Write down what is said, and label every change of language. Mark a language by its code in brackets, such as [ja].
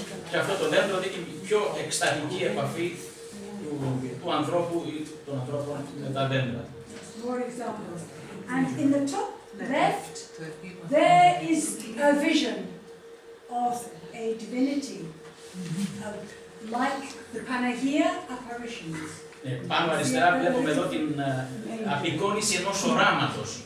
[el] Και αυτό το δέντρο δείχνει πιο εκστατική επαφή του ανθρώπου ή των ανθρώπων με τα δέντρα. [en] More examples. And in the top left, there is a vision of a divinity, like the Panagia apparitions. [el] Πάνω αριστερά βλέπουμε εδώ την απεικόνιση ενός οράματος.